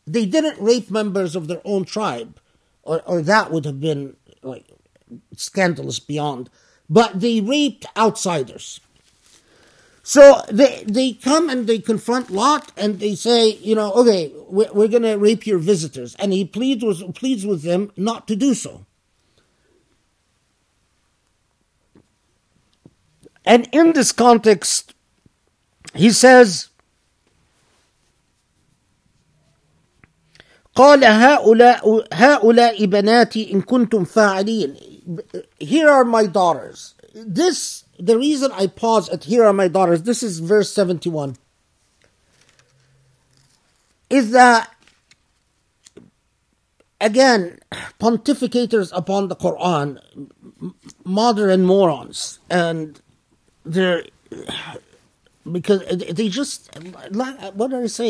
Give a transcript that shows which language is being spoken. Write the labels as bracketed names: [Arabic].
[English] They didn't rape members of their own tribe, or that would have been like scandalous beyond, but they raped outsiders. So they come and they confront Lot and they say, you know, okay, we're going to rape your visitors. And he pleads with them not to do so. And in this context, he says, [Arabic] قال هؤلاء بناتي إن كنتم فاعلين. [English] Here are my daughters. This, the reason I pause at here are my daughters, this is verse 71. Is that, again, pontificators upon the Quran, modern morons, and they're, because they just, what do I say?